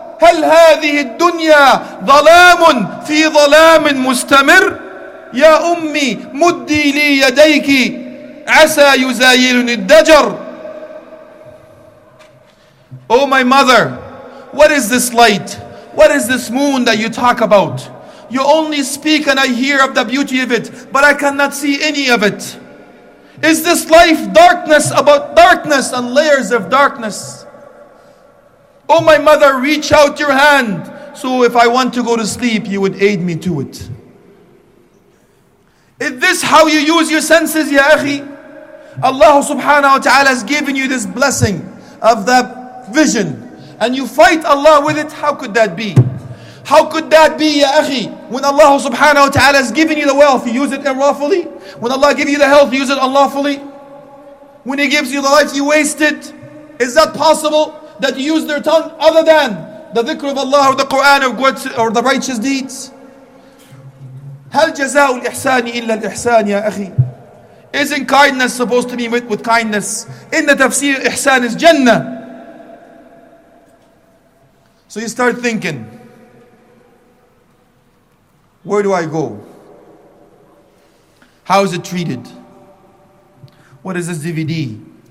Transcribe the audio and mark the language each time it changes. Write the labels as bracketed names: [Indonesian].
[Arabic] هل هذه الدنيا ظلام في ظلام مستمر؟ يا أمي مدي لي يديك عسى يزايلني الدجر. [English] Oh my mother, what is this light? What is this moon that you talk about? You only speak and I hear of the beauty of it, but I cannot see any of it. Is this life darkness about darkness and layers of darkness? Oh my mother, reach out your hand, so if I want to go to sleep, you would aid me to it. Is this how you use your senses, ya akhi? Allah subhanahu wa ta'ala has given you this blessing of the vision, and you fight Allah with it. How could that be? How could that be, ya akhi? When Allah subhanahu wa ta'ala has given you the wealth, you use it unlawfully. When Allah gives you the health, you use it unlawfully. When He gives you the life, you waste it. Is that possible? That you use their tongue other than the dhikr of Allah or the Quran or good or the righteous deeds. [Arabic] هل جزاء الإحسان إلا الإحسان يا أخي? [English] Isn't kindness supposed to be met with kindness? In the tafsir, إحسان is Jannah. So you start thinking, where do I go? How is it treated? What is this DVD?